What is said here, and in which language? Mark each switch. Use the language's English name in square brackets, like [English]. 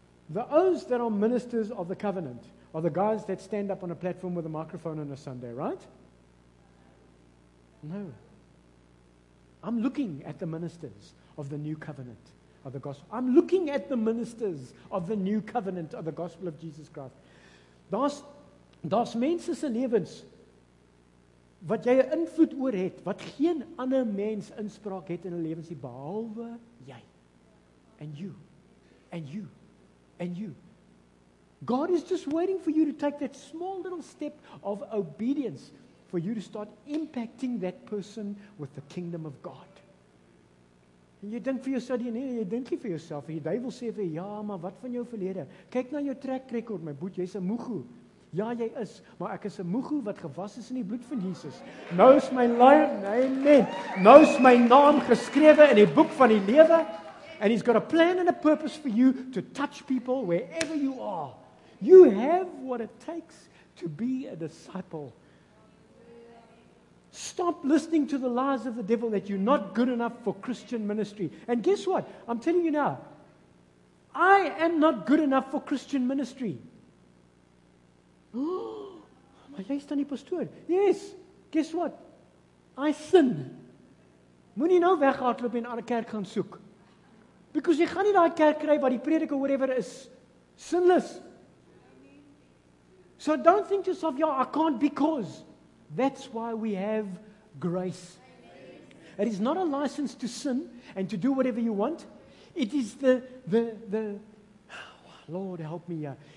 [English] The O's that are ministers of the covenant are the guys that stand up on a platform with a microphone on a Sunday, right? No. I'm looking at the ministers of the new covenant of the gospel. I'm looking at the ministers of the new covenant of the gospel of Jesus Christ. [Afrikaans] Daar's mense se lewens wat jy 'n invloed oor het, wat geen ander mens inspraak het in 'n lewens nie behalwe jy. [English] And you. And you. And you. God is just waiting for you to take that small little step of obedience for you to start impacting that person with the kingdom of God. And you [Afrikaans] dink vir jouself, en die duivel sê vir jou, ja, maar wat van jou verlede? Kyk na jou track record, my boet, jy's 'n moegoe. Ja, jy is, maar ek is 'n moegu wat gewas is in die bloed van Jesus. Nou is my lewe, amen. Nou is my naam geskrewe in die boek van die lewe. [English] And he's got a plan and a purpose for you to touch people wherever you are. You have what it takes to be a disciple. Stop listening to the lies of the devil that you're not good enough for Christian ministry. And guess what? I'm telling you now, I am not good enough for Christian ministry. [Afrikaans] Maar jy is dan die pastoor. [English] Yes, guess what? I sin. [Afrikaans] Moenie nou weghardloop en 'n ander kerk gaan soek. Because jy gaan nie daai kerk kry waar die prediker whatever is sinless. [English] So don't think to yourself, yeah, I can't because. That's why we have grace. It is not a license to sin and to do whatever you want. It is the oh, Lord help me here.